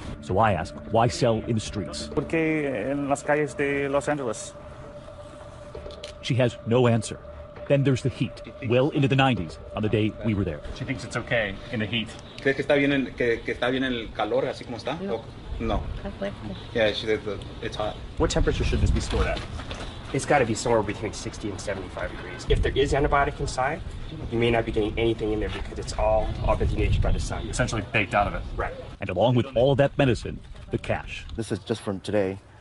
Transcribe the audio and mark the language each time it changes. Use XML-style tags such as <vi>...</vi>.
<en>So I ask, why sell in the streets?</en> <es>¿Por qué en las calles de Los Angeles?</es> <en>She has no answer. Then there's the heat, well into the 90s, on the day we were there. She thinks it's okay in the heat.</en> <es>¿Crees que está bien el calor, así como está? No. No. Está fuerte.</es> <en>Yeah, it's hot. What temperature should this be stored at? It's got to be somewhere between 60 and 75 degrees. If there is antibiotic inside, you may not be getting anything in there because it's all been denatured by the sun. Essentially baked out of it. Right. And along with all of that medicine, the cash. This is just from today.</en>